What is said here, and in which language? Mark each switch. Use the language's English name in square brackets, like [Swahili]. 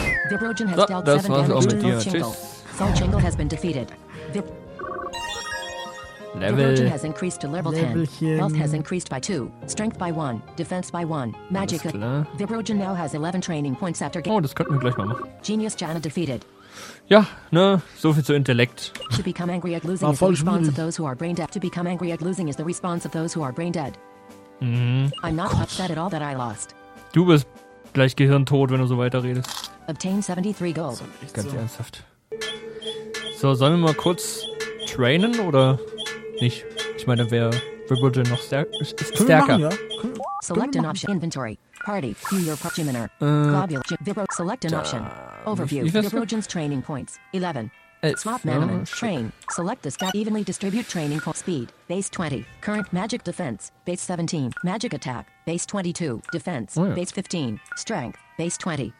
[English] Vibrogen has dealt 7 damage to Fo Chingo. Fo Chingo has been defeated. Level. Vibrogen has increased to level 10. Health has increased by 2. Strength by 1. Defense by 1. Magic. Vibrogen now has 11 training points after game. [German] Oh, das könnten wir gleich mal machen. [English] Genius Jana defeated. [German] Ja, ne, so viel zu Intellekt. [English] To become angry at losing is the response of those who are brain dead. To become angry at losing is the response of those who are brain dead. I'm not upset at all that I lost. [German] Du bist gleich gehirntot, wenn du so weiterredest. [English] Obtain 73 gold. [German] Ganz ernsthaft. So, sollen wir mal kurz trainen oder nicht? Ich meine, wer wird noch stärker? [English] Select an option inventory. Party, view your Pokémoner. Globule, Vibro, select an option. Overview, Vibrogen's training points. 11. Swap Manaman, train. Select the stat, evenly distribute training points. Speed, base 20. Current magic defense, base 17. Magic attack, base 22. Defense, base 15. Strength, base 20.